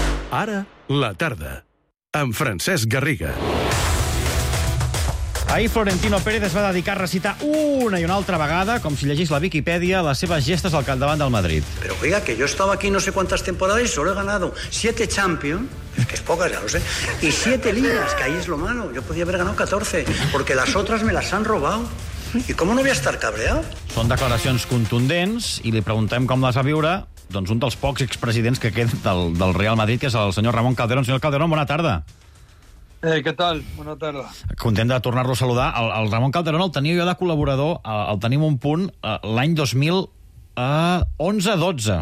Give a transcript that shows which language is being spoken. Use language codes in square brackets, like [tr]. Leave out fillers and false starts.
[ca] Ara, la tarda, amb Francesc Garriga. Ahir Florentino Pérez es va dedicar a recitar una i una altra vegada, com si llegís la Viquipèdia, les seves gestes al capdavant del Madrid. [es] Pero oiga, que yo estaba aquí no sé cuántas temporadas y solo he ganado 7 Champions, que es pocas, ya lo sé, y 7 Ligas, que ahí es lo malo. Yo podía haber ganado 14, porque las otras me las han robado. ¿Y cómo no voy a estar cabreado? [ca] Són declaracions contundents i li preguntem com les va viure doncs un dels pocs expresidents que queda del Real Madrid, que és el senyor Ramon Calderón. Senyor Calderón, bona tarda. Què tal? Bona tarda. Content de tornar-lo a saludar. El Ramon Calderón el tenia jo de col·laborador, el tenim un punt, l'any 2011-12.